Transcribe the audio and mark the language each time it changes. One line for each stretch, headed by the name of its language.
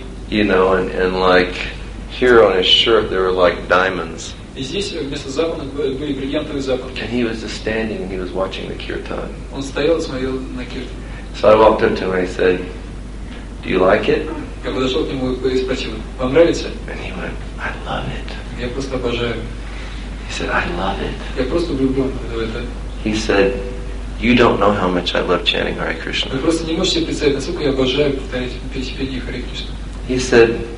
English: You know, and like here on his shirt there were like diamonds.
Russian: И здесь вместо запонок были бриллиантовые запонки.
English: And he was just standing and he was watching the kirtan.
Russian: Он стоял и смотрел на киртан.
English: So I walked up to him and I said, "Do you like it?"
Russian: Я подошел к нему и спросил, "Вам нравится?"
English: And he went, "I love it."
Russian: Я просто обожаю.
English: He said, "I love it."
Russian: Я просто влюблен в это.
English: He said, "You don't know how much I love chanting Hare Krishna."
Russian: Вы просто не можете представить, насколько я обожаю повторять песни Хари Кришна.